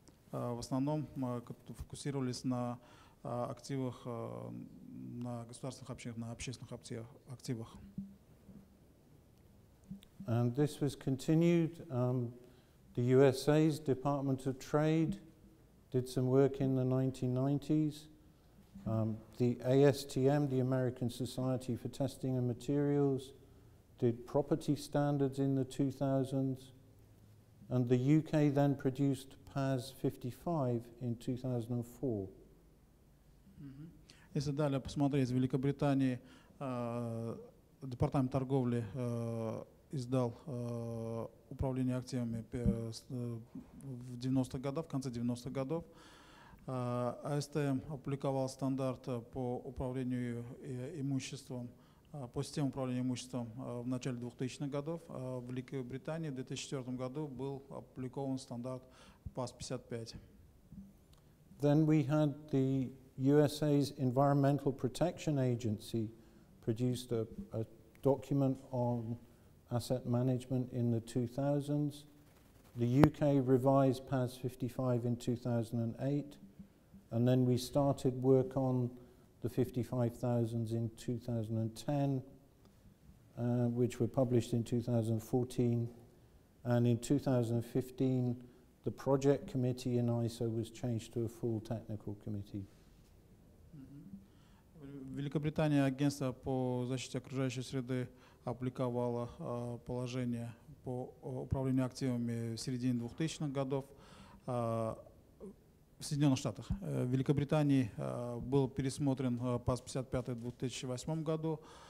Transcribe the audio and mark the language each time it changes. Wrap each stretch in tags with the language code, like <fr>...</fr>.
<ru>В основном мы фокусировались на активах, на государственных активах, на общественных активах.</ru> <en>And this was continued. The USA's Department of Trade did some work in the 1990s. The ASTM, the American Society for Testing and Materials, did property standards in the 2000s. And the UK then produced PAS 55 in 2004.</en> <ru>Если далее посмотреть, в Великобритании Департамент торговли издал управление активами в 90-х годах, в конце 90-х годов. АСТМ опубликовал стандарт по управлению имуществом, по системе управления имуществом в начале 2000-х годов. В Великобритании в 2004 году был опубликован стандарт PAS 55.</ru> <en>Then we had the USA's Environmental Protection Agency produced a document on asset management in the 2000s. The UK revised PAS 55 in 2008, and then we started work on the 55,000s in 2010, which were published in 2014. And in 2015, the project committee in ISO was changed to a full technical committee.</en> <ru>Великобритания агентство по защите окружающей среды опубликовало положение по управлению активами в середине 2000-х годов в Соединенных Штатах. В Великобритании был пересмотрен ПАС 55 в 2008 году.</ru>